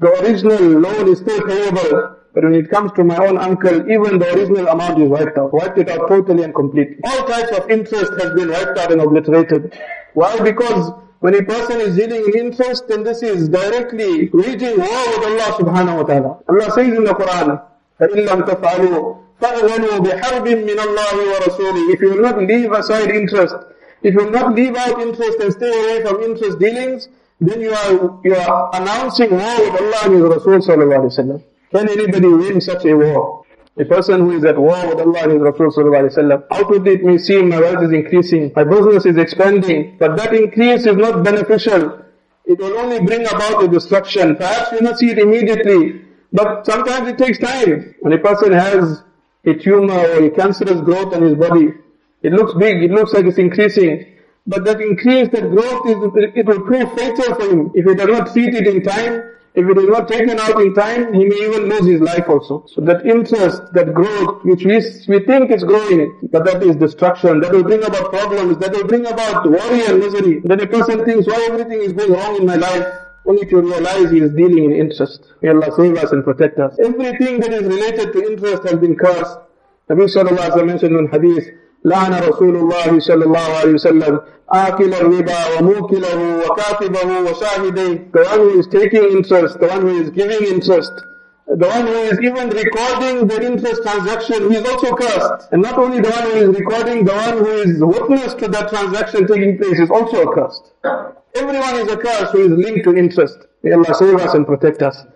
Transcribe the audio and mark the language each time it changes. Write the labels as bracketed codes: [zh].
[en] The original loan is still payable. But when it comes to my own uncle, even the original amount is wiped out. Wiped it out totally and completely. All types of interest has been wiped out and obliterated. Why? Because when a person is dealing in interest, then this is directly waging war with Allah subhanahu wa ta'ala. [ar] Allah says in the Quran, فَإِلَّمْ تَفْعَلُوا فَأْغَنُوا بِحَرْبٍ مِّنَ اللَّهِ وَرَسُولِهِ. [en] If you will not leave aside interest, if you will not leave out interest and stay away from interest dealings, then you are announcing war with Allah and His Rasul sallallahu alaihi wasallam. Can anybody win such a war? A person who is at war with Allah and His Rasul sallallahu alaihi wasallam, outwardly it may seem my wealth is increasing, my business is expanding, but that increase is not beneficial. It will only bring about a destruction. Perhaps you will not see it immediately, but sometimes it takes time. When a person has a tumor or a cancerous growth on his body, it looks big, it looks like it's increasing. But that increase, that growth, it will prove fatal for him. If he does not treat it in time, if it is not taken out in time, he may even lose his life also. So that interest, that growth, which we think is growing, but that is destruction, that will bring about problems, that will bring about worry and misery. Then a person thinks, why everything is going wrong in my life? Only to realize he is dealing in interest. May Allah save us and protect us. Everything that is related to interest has been cursed. Nabi Sallallahu Alaihi Wasallam mentioned in Hadith, [ar] لعن رسول الله صلى الله عليه وسلم آكل الربا وموكله وكاتبه وشاهديه. [en] The one who is taking interest, the one who is giving interest, the one who is even recording the interest transaction, he is also cursed. And not only the one who is recording, the one who is witness to that transaction taking place is also accursed. Everyone is accursed who is linked to interest. May Allah save us and protect us.